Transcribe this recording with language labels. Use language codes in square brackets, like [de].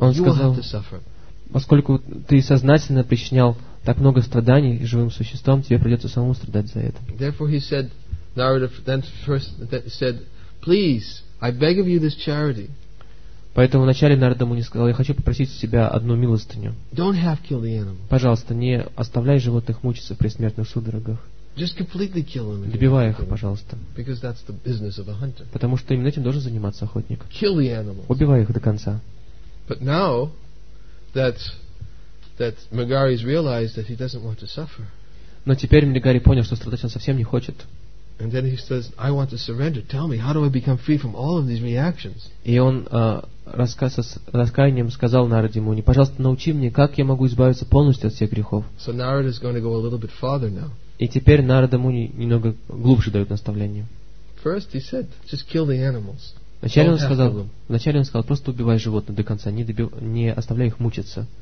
[ru] он сказал, [en] you will have to suffer. [ru] Поскольку ты сознательно причинял так много страданий живым существам, тебе придется самому страдать за это. [en] Therefore he said, Narada then first said, please, I beg of you this charity. [ru] Поэтому вначале Нарада Муни сказал: я хочу попросить у тебя одну милостыню. [en] Don't have kill the animals. [ru] Пожалуйста, не оставляй животных мучиться при смертных судорогах. [en] Just completely kill them. [ru] Добивай их, пожалуйста. [en] Because that's the business of a hunter. [ru] Потому что именно этим должен заниматься охотник. [en] Kill the animals. [ru] Убивай их до конца. [en] But now that Megari has realized that he doesn't want to suffer. [ru] Но теперь Мегари понял, что страдать он совсем не хочет. [en] And then he says, I want to surrender. Tell me, how do I become free from all of these reactions? [ru] И он раскаянием сказал Нараде Муни: пожалуйста, научи мне, как я могу избавиться полностью от всех грехов. [en] So Narada is going to go a little bit farther now. [ru] И теперь Нарада Муни немного глубже дает наставление. [en] First he said, just kill the animals. [ru] Вначале он сказал: просто убивай животных до конца, не оставляй их мучиться.